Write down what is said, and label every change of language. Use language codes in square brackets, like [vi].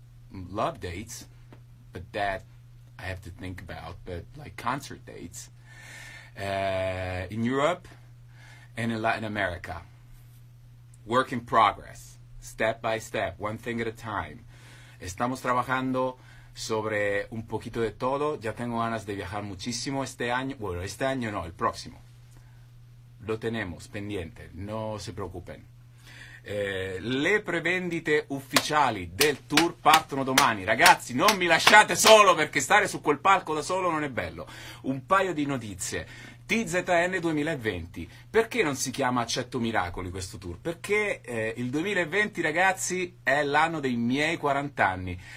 [en] Love dates, but that I have to think about, but like concert dates in Europe and in Latin America. Work in progress, step by step, one thing at a time. [es] Estamos trabajando sobre un poquito de todo. Ya tengo ganas de viajar muchísimo este año. Bueno, este año no, el próximo. Lo tenemos pendiente, no se preocupen. [it] Le prevendite ufficiali del tour partono domani. Ragazzi, non mi lasciate solo perché stare su quel palco da solo non è bello. Un paio di notizie. TZN 2020. Perché non si chiama Accetto Miracoli questo tour? Perché il 2020, ragazzi, è l'anno dei miei 40 anni.